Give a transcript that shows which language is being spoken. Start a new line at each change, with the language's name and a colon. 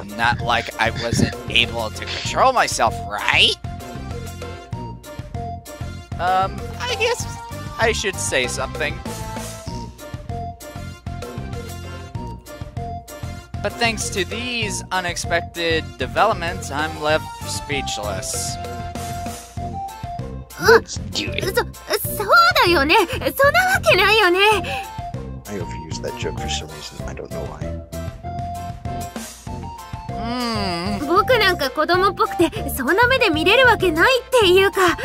English: not like I wasn't able to control myself, right? I guess I should say something. But thanks to these unexpected developments, I'm left speechless.
Japanese: そうだよね、そんなわけないよね!
English: I overused that joke for some reason, I don't know why.
Japanese: うーん、僕なんか子供っぽくて、そんな目で見れるわけないっていうか!